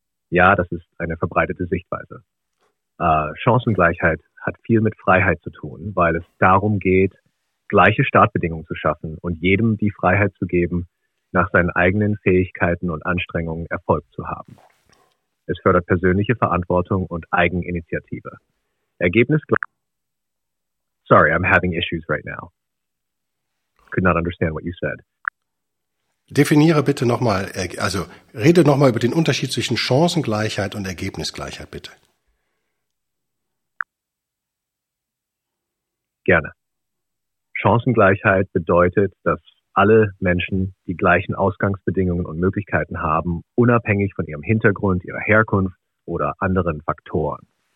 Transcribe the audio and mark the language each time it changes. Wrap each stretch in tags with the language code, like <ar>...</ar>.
<de>Ja, das ist eine verbreitete Sichtweise. Chancengleichheit hat viel mit Freiheit zu tun, weil es darum geht, gleiche Startbedingungen zu schaffen und jedem die Freiheit zu geben, nach seinen eigenen Fähigkeiten und Anstrengungen Erfolg zu haben. Es fördert persönliche Verantwortung und Eigeninitiative.</de> <en>Sorry, I'm having issues right now. Could not understand what you said.</en> <de>Definiere bitte nochmal, also rede nochmal über den Unterschied zwischen Chancengleichheit und Ergebnisgleichheit, bitte. Gerne. Chancengleichheit bedeutet, dass alle Menschen die gleichen Ausgangsbedingungen und Möglichkeiten haben, unabhängig von ihrem Hintergrund, ihrer Herkunft oder anderen Faktoren.</de>